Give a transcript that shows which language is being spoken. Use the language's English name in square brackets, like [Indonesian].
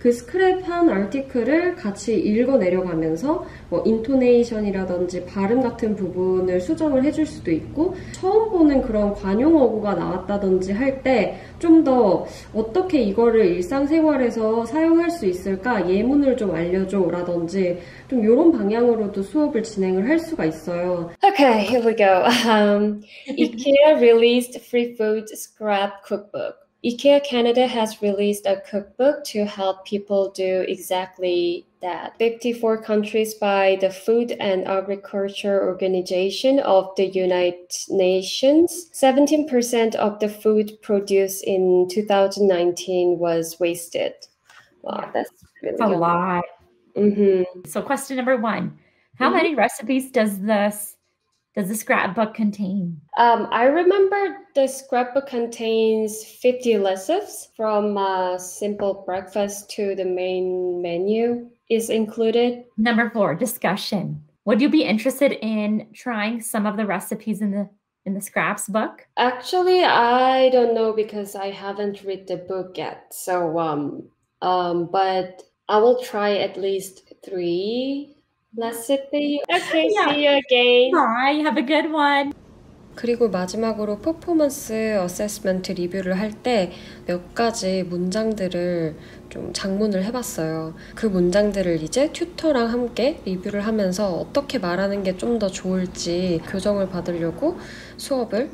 [Korean] 그 스크랩한 아티클을 같이 읽어내려가면서 뭐 인토네이션이라든지 발음 같은 부분을 수정을 해줄 수도 있고 처음 보는 그런 관용어구가 나왔다든지 할 때 좀 더 어떻게 이거를 일상생활에서 사용할 수 있을까 예문을 좀 알려줘 라든지 좀 이런 방향으로도 수업을 진행을 할 수가 있어요. [English] Okay, here we go. IKEA released free food scrap cookbook. IKEA Canada has released a cookbook to help people do exactly that. 54 countries by the Food and Agriculture Organization of the United Nations. 17% of the food produced in 2019 was wasted. Wow, that's really good. A lot. Mm-hmm. So question number one, how many recipes does the scrapbook contain? I remember the scrapbook contains 50 recipes from simple breakfast to the main menu is included. Number four, discussion. Would you be interested in trying some of the recipes in the scraps book? Actually, I don't know because I haven't read the book yet. So, but I will try at least three. Let's see. Okay, yeah. See you again. Bye. Have a good one. [Korean] 그리고 마지막으로 퍼포먼스 어세스먼트 리뷰를 할 때 몇 가지 문장들을 좀 작문을 해봤어요. 그 문장들을 이제 튜터랑 함께 리뷰를 하면서 어떻게 말하는 게 좀 더 좋을지 교정을 받으려고 수업을